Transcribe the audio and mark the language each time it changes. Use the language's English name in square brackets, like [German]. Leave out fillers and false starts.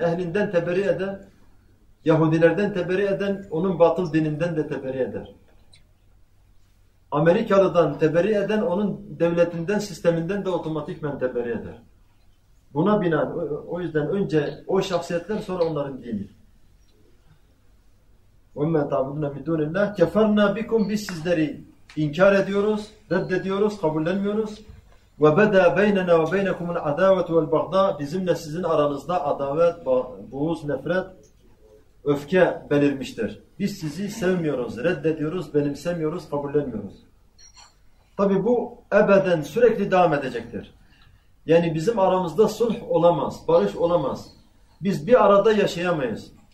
[Turkish] Ehlinden teberri eden, Yahudilerden teberri eden, onun batıl dininden de teberri eder. Amerikalı'dan teberri eden, onun devletinden, sisteminden de otomatikmen teberri eder. Buna binaen, o yüzden önce o şahsiyetler, sonra onların dini. [Arabic] وَمَّا تَعْبُدُونَ مِنْ دُونِ اللّٰهِ كَفَرْنَا بِكُمْ [Turkish] Biz sizleri inkar ediyoruz, reddediyoruz, kabullenmiyoruz. [Arabic] وَبَدَى بَيْنَنَا وَبَيْنَكُمُ الْعَدَاوَةُ وَالْبَغْضَاءُ [Turkish] Bizimle sizin aranızda adavet, buğuz, nefret, öfke belirmiştir. Biz sizi sevmiyoruz, reddediyoruz, benimsemiyoruz, kabullenmiyoruz. Tabi bu ebeden sürekli devam edecektir. Yani bizim aramızda sulh olamaz, barış olamaz. Biz bir arada yaşayamayız.